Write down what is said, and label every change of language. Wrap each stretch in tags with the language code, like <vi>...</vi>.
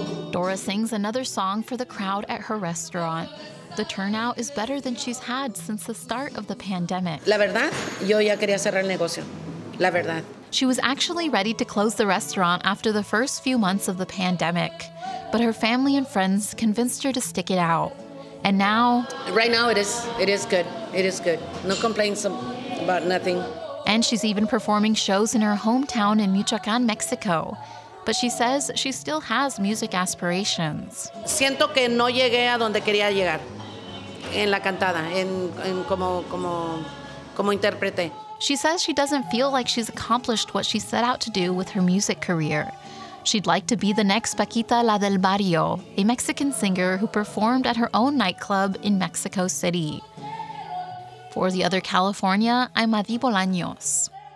<en>Dora sings another song for the crowd at her restaurant. The turnout is better than she's had since the start of the pandemic.</en> <es>La verdad, yo ya quería cerrar el negocio. La verdad.</es> <en>She was actually ready to close the restaurant after the first few months of the pandemic, but her family and friends convinced her to stick it out. And now... Right now, it is good. It is good. No complaints about nothing. And she's even performing shows in her hometown in Michoacán, Mexico. But she says she still has music aspirations.</en> <es>Siento que no llegué a donde quería llegar en la cantada, en como intérprete.</es> <en>She says she doesn't feel like she's accomplished what she set out to do with her music career. She'd like to be the next Paquita La del Barrio, a Mexican singer who performed at her own nightclub in Mexico City. For The Other California, I'm Adi Bolaños.</en>